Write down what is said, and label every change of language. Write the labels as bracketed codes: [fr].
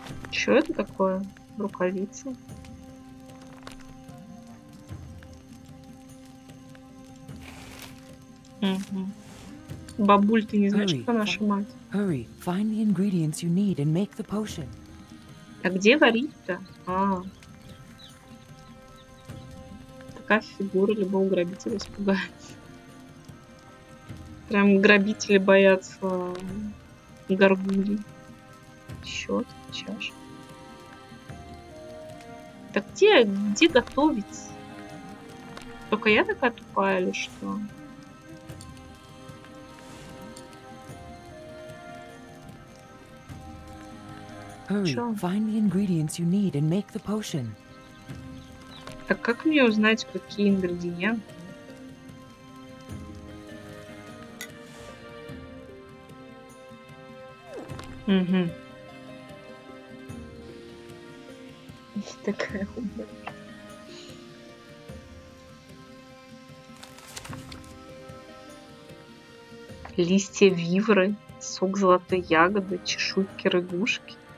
[ru] Что это такое? Рукавица? Угу. Бабуль, ты не знаешь, кто наша мать? [en] Hurry, find the ingredients you need and make the potion. [ru] А где варить-то? А. Такая фигура, любого грабителя испугается. Прям грабители боятся горгули. Счет, чаша. Так где готовить? Только я такая тупая или что? [en] Hurry, find the ingredients you need and make the potion. [ru] Так как мне узнать, какие ингредиенты? Угу. Такая листья вивры, сок золотой ягоды, чешуйки рыгушки.